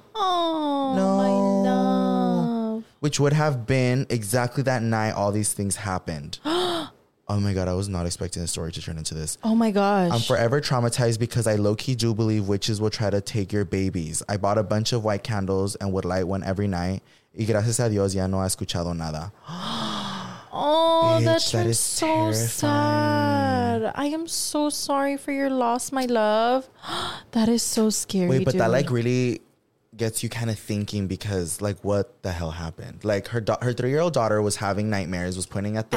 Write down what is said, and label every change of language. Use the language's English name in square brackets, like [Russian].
[English] Oh, no. Which would have been exactly that night all these things happened. Oh my God, I was not expecting the story to turn into this. Oh my gosh. I'm forever traumatized because I low-key do believe witches will try to take your babies. I bought a bunch of white candles and would light one every night. [Spanish] Y gracias a Dios ya no ha escuchado nada. [English] Oh, that is so terrifying. I am so sorry for your loss, my love. That is so scary. Wait, but dude. That like really... gets you kind of thinking because like what the hell happened? Like her 3-year-old daughter was having nightmares, was pointing at the